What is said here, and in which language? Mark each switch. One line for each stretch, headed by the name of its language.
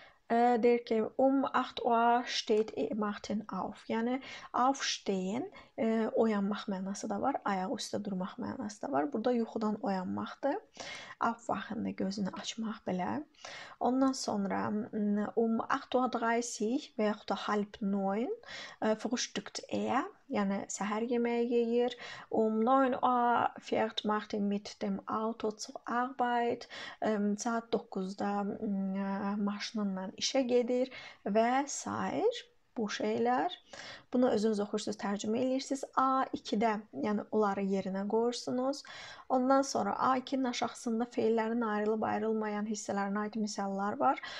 German: Der ki, 8 Uhr steht Martin auf.
Azerbaijani: Yəni, aufstehen, oyanmaq mənası da var, ayaq üstə durmaq mənası da var. Burada yuxudan oyanmaqdır. Aufwachen, gözünü açmaq belə. Ondan sonra 8:30 və yaxud da 8:30
German: frühstückt er.
Azerbaijani: Yəni, səhər yeməyi yeyir.
German: 9 Uhr fährt Martin mit dem Auto zur Arbeit.
Azerbaijani: Saat 9-da maşınla işə gedir və s. bu şeyler. Buna özünüz oxursunuz, tərcümə edirsiniz. A2-də, yəni onları yerinə qoyursunuz. Ondan sonra A2-nin aşağısında fellərin ayrılıb-ayrılmayan hissələrinə aid misallar var.